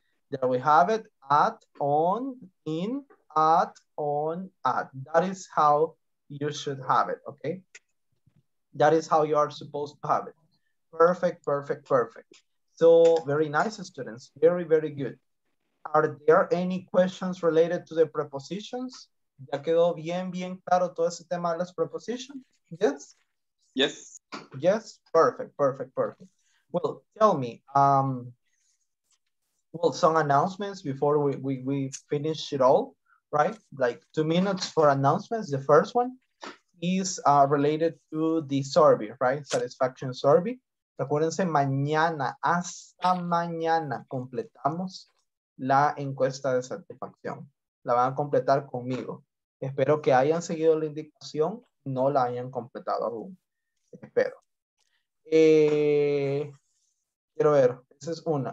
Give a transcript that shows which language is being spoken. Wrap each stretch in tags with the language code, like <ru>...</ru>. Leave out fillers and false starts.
<en>There we have it, at, on, in, at, on, at. That is how you should have it, okay? That is how you are supposed to have it. Perfect, perfect, perfect. So very nice, students, very, very good. Are there any questions related to the prepositions?</en> <es>¿Ya quedó bien, bien claro todo ese tema de las prepositions?</es> <en>Yes? Yes. Yes? Perfect, perfect, perfect. Well, tell me, well, some announcements before we finish it all, right? Like 2 minutes for announcements. The first one is related to the survey, right? Satisfaction survey.</en> <es>Recuérdense, mañana, hasta mañana, completamos la encuesta de satisfacción. la van a completar conmigo. Espero que hayan seguido la indicación, no la hayan completado aún. Espero. Quiero ver, esa es una.</es>